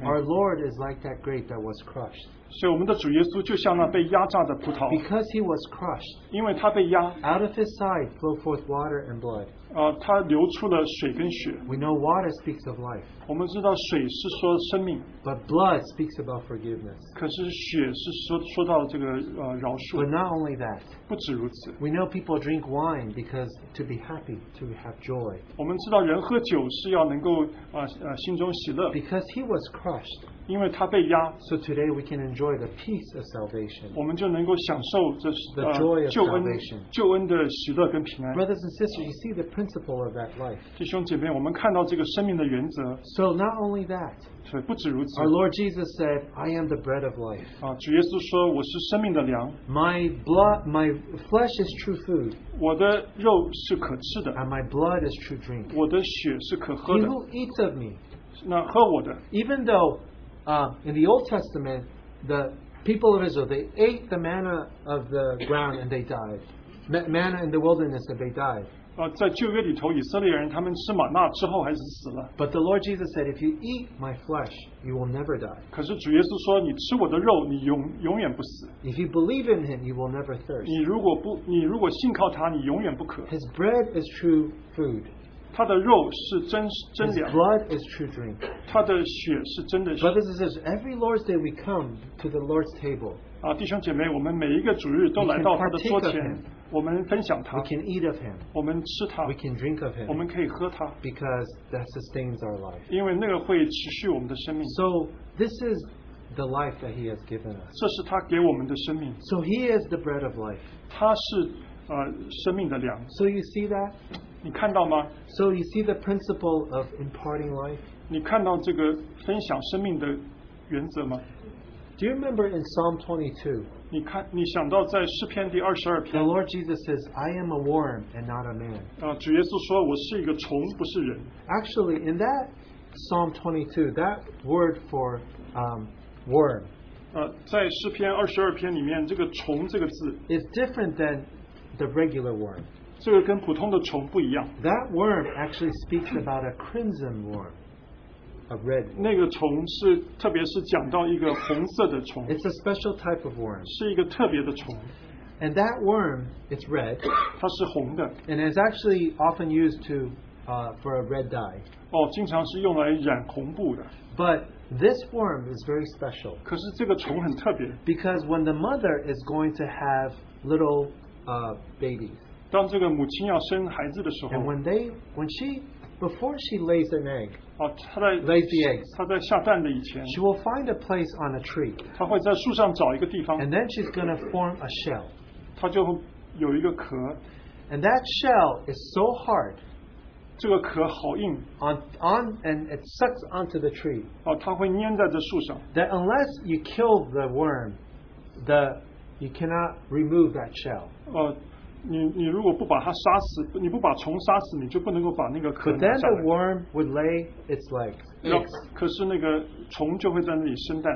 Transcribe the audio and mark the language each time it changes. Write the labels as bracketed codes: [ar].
[en] our Lord is like that grape that was crushed. [zh] 所以我们的主耶稣就像那被压榨的葡萄。 [en] Because he was crushed, [zh] 因为他被压, [en] out of his side flowed forth water and blood. [zh] 他流出了水跟血。 [en] We know water speaks of life. [zh] 我们知道水是说生命。 [en] But blood speaks about forgiveness. [zh] 可是血是说到这个饶恕。 [en] But not only that, [zh] 不止如此。 [en] We know people drink wine because to be happy, to have joy. [zh] 我们知道人喝酒是要能够心中喜乐。 [en] Because he was crushed, [zh] 因为他被压, [en] so today we can enjoy the peace of salvation. [zh] 我们就能够享受这是, [en] the joy of [zh] 救恩, [en] salvation. [zh] 救恩的喜乐跟平安。 [en] Brothers and sisters, you see the principle of that life. [zh] 弟兄姐妹, 我们看到这个生命的原则。 [en] So not only that, [zh] 对,不止如此, [en] our Lord Jesus said, I am the bread of life. [zh] 主耶稣说, 我是生命的粮, [en] my blood, my flesh is true food. [zh] 我的肉是可吃的, [en] and my blood is true drink. [zh] 我的血是可喝的。 [en] He who eats of me, [zh] 那喝我的, [en] even though in the Old Testament, the people of Israel, they ate the manna of the ground and they died. Manna in the wilderness and they died. [zh] 在旧约里头，以色列人他们吃玛纳之后还是死了。 [en] But the Lord Jesus said, if you eat my flesh, you will never die. [zh] 可是主耶稣说，你吃我的肉，你永远不死。 [en] If you believe in him, you will never thirst. [zh] 你如果信靠他，你永远不渴。 [en] His bread is true food. [zh] 他的肉是真粮, [en] His blood is true drink. [zh] 他的血是真的血. [en] Brothers and sisters, every Lord's Day we come to the Lord's table. [zh] 弟兄姐妹, 我们每一个主日都来到他的桌前, [en] we can eat of him. [zh] 我们吃他, [en] we can drink of him. [zh] 我们可以喝他, [en] because that sustains our life. [zh] 因为那个会持续我们的生命. [en] So this is the life that he has given us. [zh] 这是他给我们的生命. [en] So he is the bread of life. [zh] 他是, [en] so you see that? [zh] 你看到吗? [en] So you see the principle of imparting life? [zh] 你看到这个分享生命的原则吗? [en] Do you remember in Psalm 22? [zh] 你想到在诗篇第22篇, [en] the Lord Jesus says, I am a worm and not a man. [zh] 主耶稣说我是一个虫, [en] actually, in that Psalm 22, that word for worm, [zh] 在诗篇22篇里面, 这个虫这个字, [en] is different than the regular worm. [zh] 这个跟普通的虫不一样. [en] That worm actually speaks about a crimson worm, a red worm. [zh] 那个虫是特别是讲到一个红色的虫. [en] It's a special type of worm. [zh] 是一个特别的虫. [en] And that worm, it's red. [zh] 它是红的. [en] And it's actually often used to for a red dye. [zh] 哦，经常是用来染红布的. [en] But this worm is very special. [zh] 可是这个虫很特别. [en] Because when the mother is going to have little babies. [zh] 当这个母亲要生孩子的时候, [en] and before she lays an egg, [zh] 她在, [en] lays the eggs, [zh] 她在下蛋的以前, [en] she will find a place on a tree. [zh] 她会在树上找一个地方, [en] and then she's going to form a shell. [zh] 她就有一个壳, [en] and that shell is so hard. [zh] 这个壳好硬, [en] and it sucks onto the tree. [zh] 她会粘在这树上, [en] that unless you kill the worm, you cannot remove that shell. [zh] 你如果不把它杀死，你不把虫杀死，你就不能够把那个壳拿下来。 [en] But then the worm would lay its legs. [zh] 可是那个虫就会在那里生蛋。